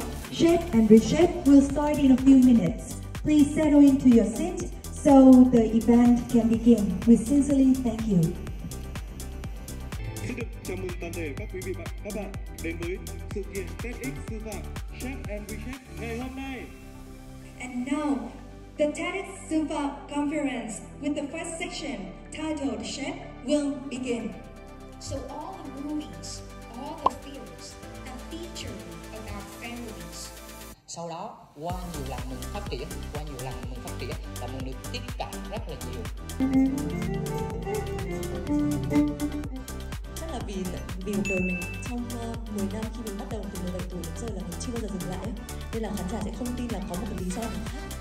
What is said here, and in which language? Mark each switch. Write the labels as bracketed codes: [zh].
[en] Shape and reshape will start in a few minutes. Please settle into your seat so the event can begin. We sincerely thank you. [vi] Xin được chào mừng toàn thể các quý vị và các bạn đến với sự kiện TEDx Sư Phạm Shape and Reshape ngày hôm nay. [en] And now, the TEDx Sư Phạm Conference with the first section titled Shape will begin. So all the movies, all the fears, the feature of our families. [vi] Sau đó, qua nhiều lần mình phát triển, qua nhiều lần mình phát triển và mình được tiếp cận rất là nhiều. Chắc là vì đời mình trong 10 năm khi mình bắt đầu từ 17 tuổi đến giờ là mình chưa bao giờ dừng lại. Nên là khán giả sẽ không tin là có một cái lý do nào khác.